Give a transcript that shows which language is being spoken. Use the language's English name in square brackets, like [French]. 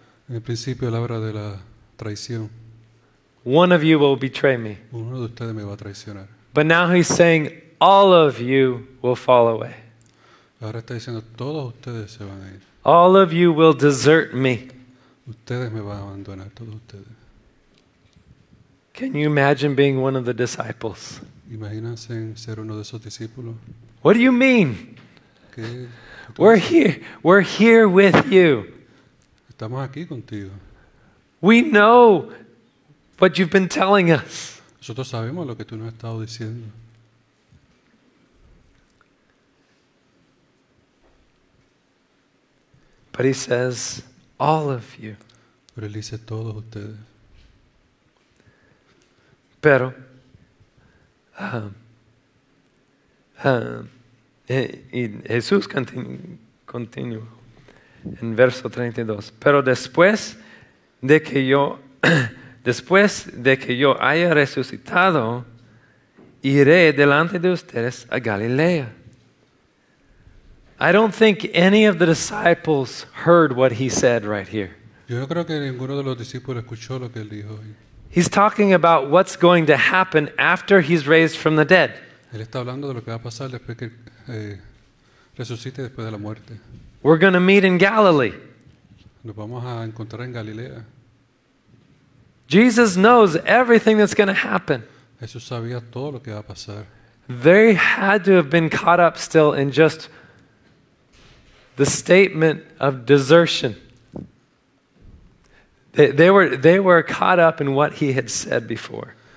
[Spanish] En el principio, la hora de la traición. [English] One of you will betray me. [Spanish] Uno de ustedes me va a traicionar. [English] But now he's saying, all of you will fall away. [Spanish] Ahora está diciendo, todos ustedes se van a ir. [English] All of you will desert me. [Spanish] Ustedes me van a abandonar, todos ustedes. [English] Can you imagine being one of the disciples? [Spanish] Imagínense ser uno de esos discípulos. [English] What do you mean? [Spanish] ¿Qué? [English] We're here with you. [Spanish] Estamos aquí contigo. [English] We know what you've been telling us. [Spanish] Nosotros sabemos lo que tú nos has estado diciendo. [English] But he says, all of you. [Spanish] Pero él dice todos ustedes. Pero Y Jesús continuó en verso 32. Pero después de que yo haya resucitado, iré delante de ustedes a Galilea. [English] I don't think any of the disciples heard what he said right here. [Spanish] Yo no creo que ninguno de los discípulos escuchó lo que él dijo. [English] He's talking about what's going to happen after he's raised from the dead. [Spanish] Él está hablando de lo que va a pasar después que resucite después de la muerte. [English] We're going to meet in Galilee. [Spanish] Nos vamos a encontrar en Galilea. [English] Jesus knows everything that's going to happen. [Spanish] Jesús sabía todo lo que va a pasar. [English] They had to have been caught up still in just the statement of desertion. They were caught up in what he had said before.